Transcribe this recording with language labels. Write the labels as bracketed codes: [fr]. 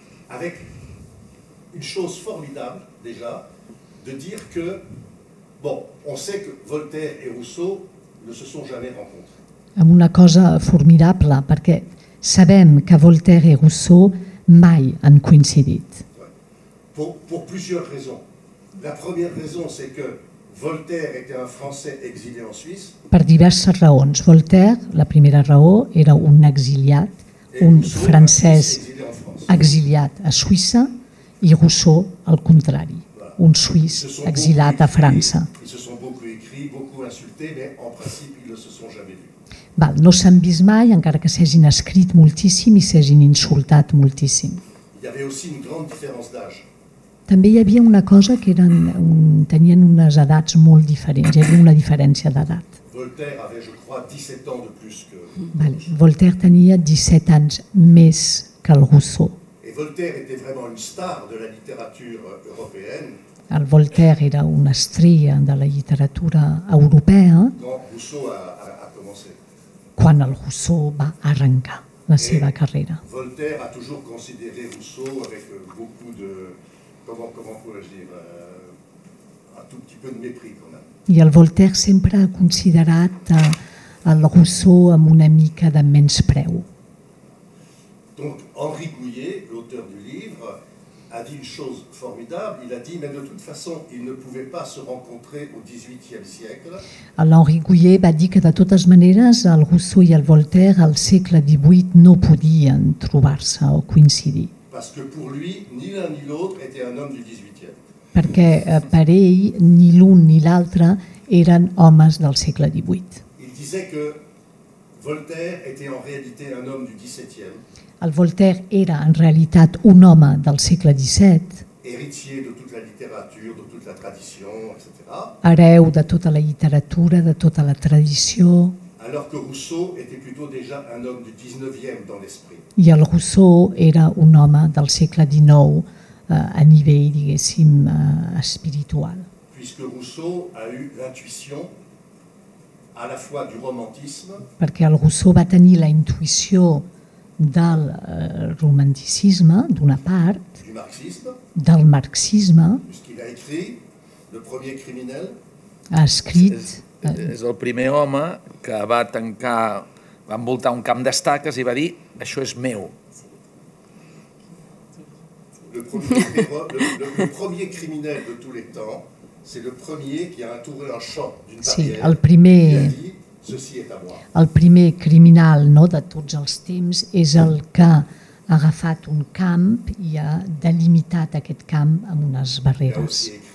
[fr] Avec une chose formidable déjà de dire que bon, on sait que Voltaire et Rousseau ne se sont jamais rencontrés. [ca] Amb una cosa formidable perquè sabem que Voltaire et Rousseau mai han coincidit. [fr] Pour plusieurs raisons. La première raison c'est que Voltaire était un Français exilé en Suisse. [ca] Per diverses raons. Voltaire, la primera raó, era un exiliat, un francès exiliat a Suïssa, i Rousseau, al contrari, un suís exilat a França. [fr] Ils se sont beaucoup écrits, beaucoup insultés, mais en principe ils ne se sont jamais vus. [ca] Val, no s'han vist mai, encara que s'hagin escrit moltíssim i s'hagin insultat moltíssim. Hi havia aussi una gran diferència d'âge. També hi havia una cosa que eren, tenien unes edats molt diferents, hi havia una diferència d'edat. [fr] Voltaire avait, je crois, 17 ans de plus que... [ca] Vale. Voltaire tenia 17 anys més que el Rousseau. [fr] Et Voltaire était vraiment une star de la littérature européenne. [ca] El Voltaire era una estrella de la literatura europea. [fr] Quand Rousseau a commencé. [ca] Quan el Rousseau va arrencar la seva carrera. [fr] Voltaire a toujours considéré Rousseau avec beaucoup de... Comment pourrais-je dire... Un tout petit peu de mépris, quand même. [ca] I el Voltaire sempre ha considerat el Rousseau amb una mica de menyspreu. [fr] Donc Henri Gouillet, l'auteur du livre, a dit une chose formidable, il a dit mais de toute façon, ils ne pouvaient pas se rencontrer au 18e siècle. [ca] Henri Gouillet va dir que de totes maneres el Rousseau i el Voltaire al segle XVIII no podien trobar-se o coincidir. [fr] Parce que pour lui, ni l'un ni l'autre était un homme du 18e. [ca] Perquè per ell ni l'un ni l'altre eren homes del segle XVIII. [fr] Il disait que Voltaire était en réalité un homme du 17e. [ca] El Voltaire era en realitat un home del segle XVII. [fr] héritier de toute la littérature, de toute la tradition, etc. [ca] Hereu de tota la literatura, de tota la tradició. [fr] Alors que Rousseau était plutôt déjà un homme du 19e dans l'esprit. [ca] I el Rousseau era un home del segle XIX a nivell, diguéssim, espiritual. [fr] Puisque Rousseau a eu l'intuition à la fois du romantisme. [ca] Perquè el Rousseau va tenir la intuïció del romanticisme, d'una part, [fr] du marxisme, [ca] del marxisme, [fr] puisqu'il a écrit le premier criminel, [ca] ha escrit... És el primer home que va tancar, va envoltar un camp d'estaques i va dir, això és meu. [fr] Le premier criminel de tous les temps, c'est le premier qui a entouré un champ d'une barrière. [ca] Sí, el primer... [fr] Ceci est à moi. [ca] El primer criminal, no, de tots els temps és el que ha agafat un camp i ha delimitat aquest camp amb unes barreres.